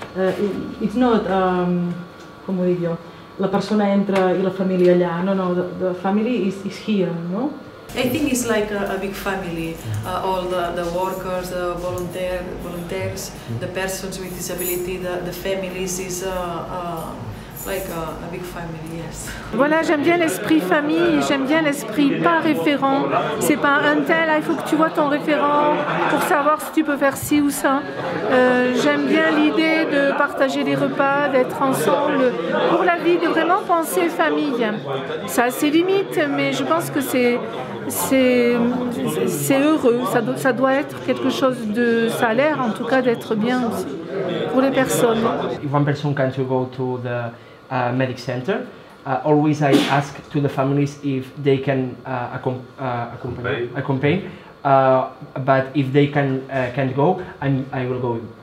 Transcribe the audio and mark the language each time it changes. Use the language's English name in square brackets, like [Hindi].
[English] It's not, [Spanish] como digo, la persona entra y la familia allá. [English] No, no, the family is here, no? I think it's like a big family. All the workers, the volunteers, the persons with disability, the families is like a big family, yes. [French] Voilà, j'aime bien l'esprit famille, j'aime bien l'esprit pas référent. C'est pas un tel, il faut que tu vois ton référent pour savoir si tu peux faire ci ou ça. J'aime bien l'idée de partager les repas, d'être ensemble pour la vie, de vraiment penser famille. Ça a ses limites, mais je pense que c'est heureux. Ça doit être quelque chose de... Ça a l'air en tout cas d'être bien aussi pour les personnes. [English] One person can go to the medic center. Always I ask to the families if they can accompany, but if they can't go, I will go.